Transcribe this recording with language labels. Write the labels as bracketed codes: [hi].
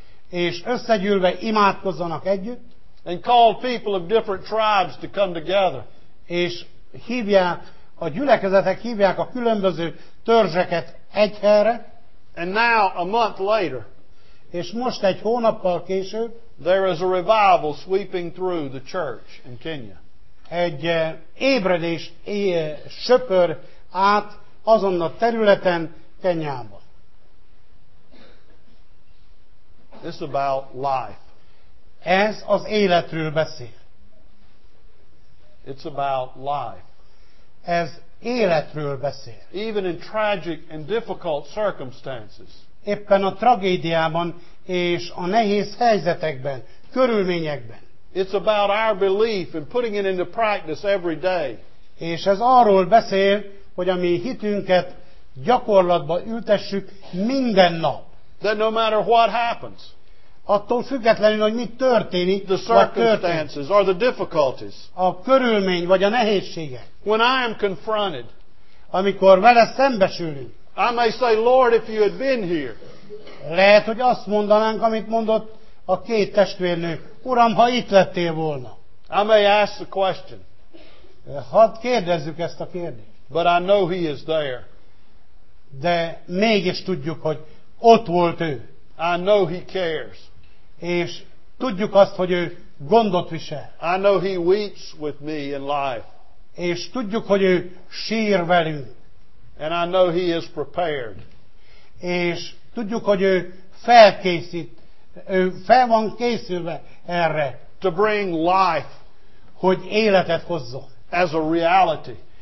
[hu] és összegyűlve imádkozzanak együtt, [en] and called people of different tribes to come together, [hu] és hívják, a gyülekezetek hívják a különböző törzseket egy helyre, [en] and now a month later, [hu] és most egy hónappal később, [en] there is a revival sweeping through the church in Kenya. [hu] Egy ébredés söpör át azon a területen, Kenyában. [en] It's about life. [hu] Ez az életről beszél. [en] It's about life. [hu] Ez életről beszél. [en] Even in tragic and difficult circumstances. [hu] Éppen a tragédiában és a nehéz helyzetekben, körülményekben. [en] It's about our belief and putting it into practice every day. [hu] És ez arról beszél, hogy a mi hitünket gyakorlatba ültessük minden nap. [en] That no matter what happens. [hu] Attól függetlenül, hogy mi történik, [en] the circumstances or the difficulties. [hu] A körülmény vagy a nehézsége. [en] When I am confronted, [hu] amikor vele szembesülünk, [en] I may say, Lord, if you had been here. [hu] Lehet, hogy azt mondanánk, amit mondott a két testvérnő, Uram, ha itt lettél volna. [en] I may ask the question. [hu] Hadd kérdezzük ezt a kérdést. [en] But I know he is there. [hu] De mégis tudjuk, hogy ott volt ő. [en] I know he cares. [hu] És tudjuk azt, hogy ő gondot visel. [en] I know he weeps with me in life. [hu] És tudjuk, hogy ő sír velünk. [en] And I know he is prepared. [hu] És tudjuk, hogy ő felkészít, ő fel van készülve erre. [en] To bring life, [hu] hogy életet hozzon. [en] As a reality,